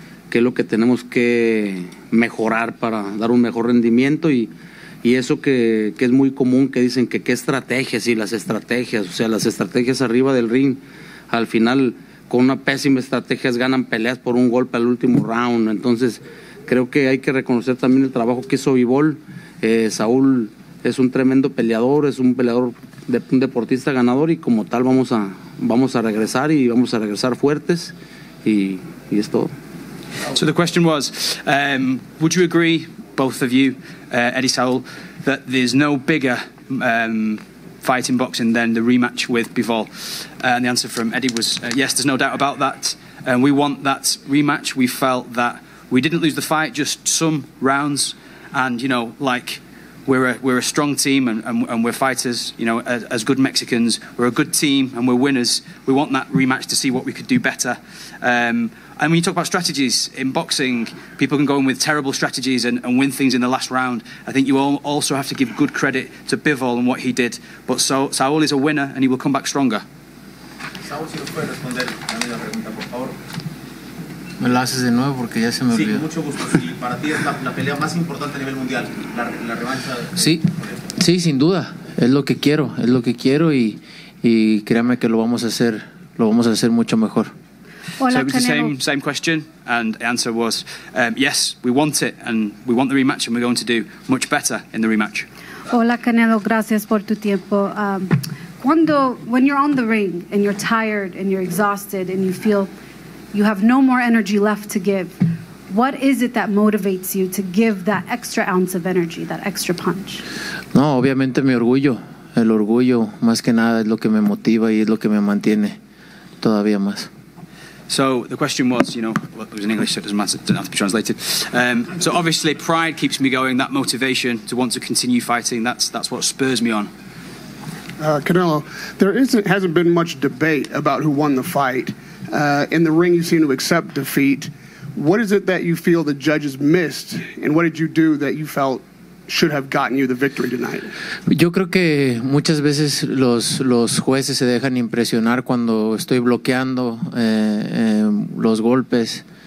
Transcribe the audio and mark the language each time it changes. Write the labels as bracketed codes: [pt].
[es] qué es lo que tenemos que mejorar para dar un mejor rendimiento y eso que es muy común que dicen que qué estrategias y las estrategias, o sea, las estrategias arriba del ring, al final con una pésima estrategia ganan peleas por un golpe al último round. Entonces creo que hay que reconocer también el trabajo que hizo Bivol. Saúl es un tremendo peleador, es un peleador, de un deportista ganador y como tal vamos a regresar y vamos a regresar fuertes y es todo. [en] So the question was, would you agree, both of you, Eddie Saúl, that there's no bigger fight in boxing than the rematch with Bivol? And the answer from Eddie was, yes, there's no doubt about that. And we want that rematch. We felt that we didn't lose the fight, just some rounds. And, you know, like, we're a strong team and we're fighters, you know, as good Mexicans. We're a good team and we're winners. We want that rematch to see what we could do better. And when you talk about strategies in boxing, people can go in with terrible strategies and win things in the last round. I think you all also have to give good credit to Bivol and what he did. But so Saúl is a winner and he will come back stronger. [es] Saúl, si lo puede responder a mí la pregunta, por favor. Me la haces de nuevo porque ya se me olvidó. Sí, mucho gusto. Si para ti es la pelea más importante a nivel mundial, la revancha. Sí, sí, sin duda. Es lo que quiero, es lo que quiero y créame que lo vamos a hacer mucho mejor. [en] So it was the same question, and the answer was yes, we want it, and we want the rematch, and we're going to do much better in the rematch. [es] Hola Canelo, gracias por tu tiempo. [en] When you're on the ring and you're tired and you're exhausted and you feel you have no more energy left to give, what is it that motivates you to give that extra ounce of energy, that extra punch? [es] No, obviamente mi orgullo. El orgullo, más que nada, es lo que me motiva y es lo que me mantiene todavía más. [en] So the question was, you know, well, it was in English, so it doesn't matter, it doesn't have to be translated. So obviously pride keeps me going, that motivation to want to continue fighting, that's what spurs me on. Canelo, hasn't been much debate about who won the fight. In the ring, you seem to accept defeat. What is it that you feel the judges missed, and what did you do that you felt should have gotten you the victory tonight? [es] Yo creo que muchas veces los jueces se dejan impresionar cuando estoy bloqueando los golpes.